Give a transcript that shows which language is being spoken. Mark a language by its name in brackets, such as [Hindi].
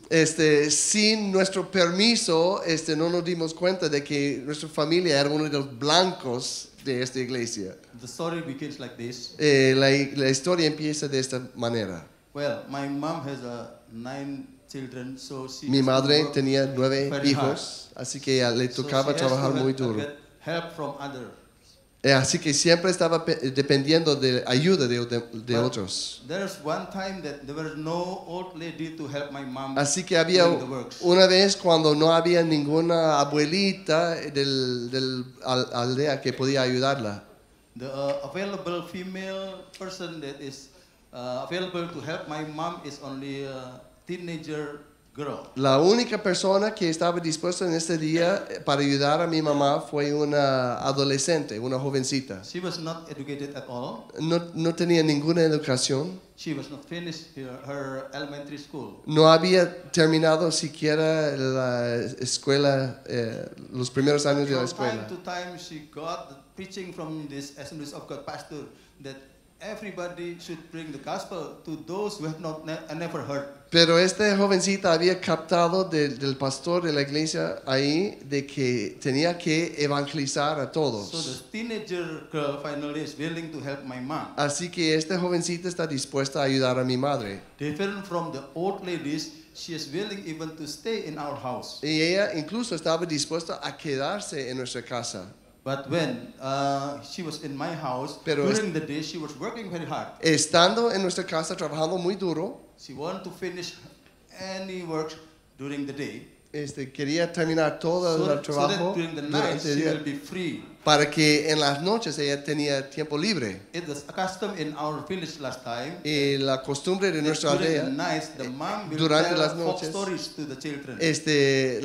[Spanish] Sin nuestro permiso, no nos dimos cuenta de que nuestra familia era uno de los blancos de esta iglesia. [English] The story begins like this. [Spanish] La historia empieza de esta manera. [English] Well, my mom has 9 children, so she. [Spanish] Mi madre tenía 9 hijos, así que le tocaba trabajar muy duro. [English] Help from others. [Spanish] Así que siempre estaba dependiendo de ayuda de otros. [English] There's one time that there was no old lady to help my mom. [Spanish] Así que había una vez cuando no había ninguna abuelita del aldea que podía ayudarla. [English] The available female person that is available to help my mom is only a teenager girl. [Spanish] La única persona que estaba dispuesta en este día para ayudar a mi mamá fue una adolescente, una jovencita. [English] She was not educated at all. [Spanish] No tenía ninguna educación. [English] She was not finished her elementary school. [Spanish] No había terminado siquiera la escuela, los primeros años de la escuela. [English] From time to time, she got the preaching from this Assemblies of God pastor that everybody should bring the gospel to those who have not never heard. [Spanish] Pero esta jovencita había captado del pastor de la iglesia ahí de que tenía que evangelizar a todos. [English] So the teenager girl finally is willing to help my mom. [Spanish] Así que esta jovencita está dispuesta a ayudar a mi madre. [English] Different from the old ladies, she is willing even to stay in our house. [Spanish] Y ella incluso estaba dispuesta a quedarse en nuestra casa. [English] But when she was in my house, [Spanish] pero [English] during the day, she was working very hard. [Spanish] Estando en nuestra casa trabajando muy duro. [English] She wanted to finish any work during the day. [Spanish] Quería terminar todo [English] so, [Spanish] el trabajo. [English] So that during the night, she will be free. [Spanish] Para que en las noches ella tenía tiempo libre. [English] It was a custom in our village last time. [Spanish] Y la costumbre de nuestra [English] during [Spanish] aldea. [English] During the night, the mom will tell folk stories to the children.